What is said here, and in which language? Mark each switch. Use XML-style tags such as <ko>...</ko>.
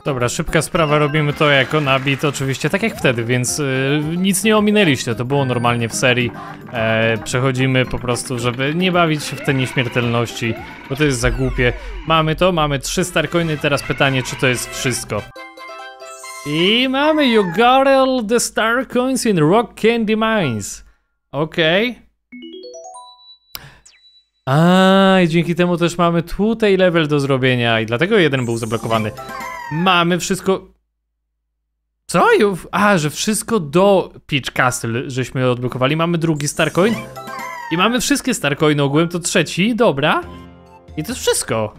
<pl>Dobra, szybka sprawa, robimy to jako nabit, oczywiście tak jak wtedy, więc nic nie ominęliście, to było normalnie w serii. Przechodzimy po prostu, żeby nie bawić się w te nieśmiertelności, bo to jest za głupie. Mamy to, mamy 3 star coiny, teraz pytanie, czy to jest wszystko. I mamy,</pl> <en>you got all the star coins in Rock Candy Mines. Okej. Okay.</en> <pl>I dzięki temu też mamy tutaj level do zrobienia i dlatego jeden był zablokowany. Mamy wszystko... Co? A, że wszystko do Peach Castle żeśmy odblokowali. Mamy drugi Starcoin. I mamy wszystkie Starcoiny ogółem, to trzeci, dobra. I to jest wszystko.</pl>